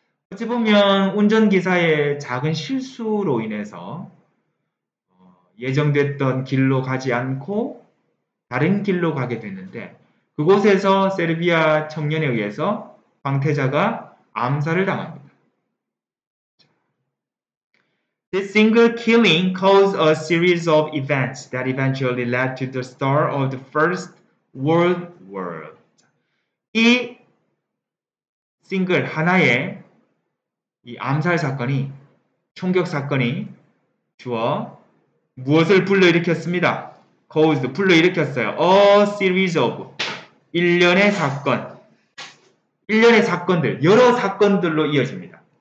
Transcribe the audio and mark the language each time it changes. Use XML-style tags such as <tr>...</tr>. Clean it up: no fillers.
<ko>어찌 보면 운전기사의 작은 실수로 인해서 예정됐던 길로 가지 않고 다른 길로 가게 됐는데 그곳에서 세르비아 청년에 의해서 방태자가 암살을 당합니다.</ko> <en>This single killing caused a series of events that eventually led to the start of the First World War.</en> <ko>이 싱글 하나의 이 암살 사건이 총격 사건이 주어 무엇을 불러일으켰습니다? Caused 불러일으켰어요.</ko> <en>A series of</en> <ko>일련의 사건 일련의 사건들 여러 사건들로 이어집니다.</ko>